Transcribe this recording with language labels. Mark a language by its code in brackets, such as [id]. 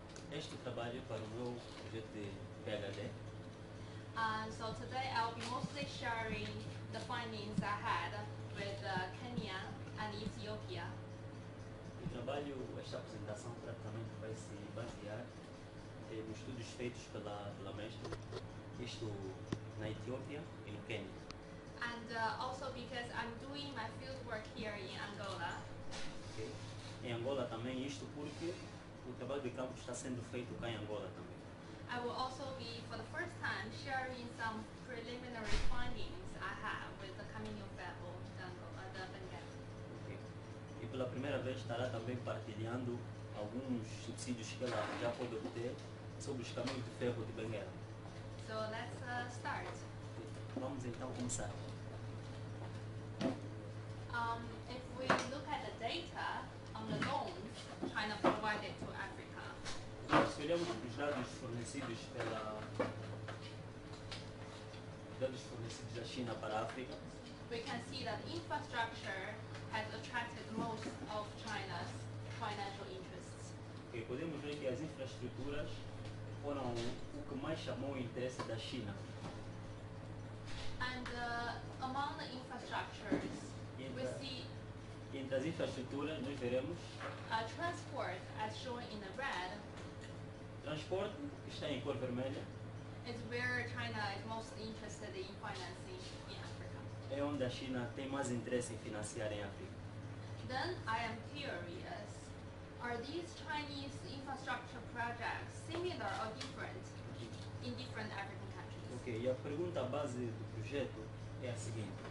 [pt] Este trabalho para o meu projeto de PhD. [en] So today I'll be mostly sharing the findings I had with Kenya and Ethiopia. [pt] O trabalho, esta apresentação praticamente vai se basear nos estudos feitos pela mestra, isto na Etiópia e no Quênia. [en] And also because I'm doing my field work here in Angola. Okay. [pt] Em Angola também, isto porque o trabalho de campo está sendo feito cá em Angola também. [en] I will also be, for the first time, sharing some preliminary findings I have with the Caminho Ferro da Benguela. [pt] Okay. E pela primeira vez estará também partilhando alguns subsídios que ela já pode obter sobre os caminhos de ferro de Benguela. [en] So let's start. [pt] Vamos então começar. [en] If we look at the data on the loans China provided to Africa. [pt] Se olharmos para os dados fornecidos da China para a África, [en] we can see that infrastructure has attracted most of China's financial interests. [pt] Okay, podemos ver que as infraestruturas foram o que mais chamou o interesse da China. [en] And among the infrastructures, we see [pt] entre as infraestruturas, nós veremos [en] transport, as shown in the red. [pt] Transporte, que está em cor vermelha, [en] is where China is most interested in financing in Africa. [pt] É onde a China tem mais interesse em financiar em África. [en] Then I am curious, are these Chinese infrastructure projects similar or different in different African countries? [pt] Ok, e a pergunta base do projeto é a seguinte.